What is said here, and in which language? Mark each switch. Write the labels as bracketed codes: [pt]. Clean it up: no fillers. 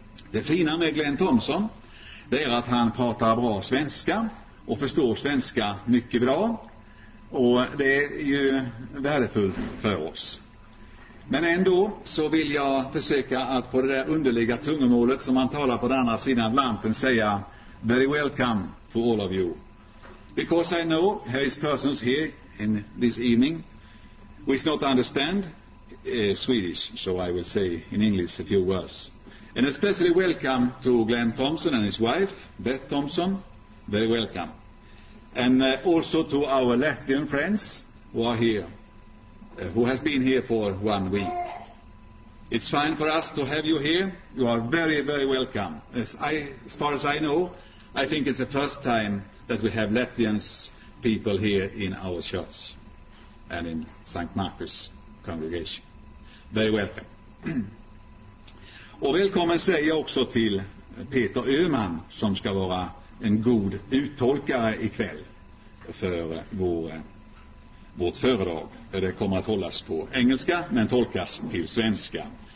[sv] Det fina med Glenn Thompson, det är att han pratar bra svenska och förstår svenska mycket bra. Och det är ju värdefullt för oss. Men ändå så vill jag försöka att på det där underliga tungomålet som man talar på den andra sidan Atlanten säga [en] very welcome to all of you. Because I know his persons here in this evening which not understand Swedish, so I will say in English a few words. And especially welcome to Glenn Thompson and his wife, Beth Thompson. Very welcome. And also to our Latvian friends who are here, who has been here for 1 week. It's fine for us to have you here. You are very, very welcome. As far as I know, I think it's the first time that we have Latvian people here in our church and in St. Marcus congregation. Very welcome. [sv] Och välkommen säger jag också till Peter Öhman som ska vara en god uttolkare ikväll för vårt föredrag. Det kommer att hållas på engelska men tolkas till svenska.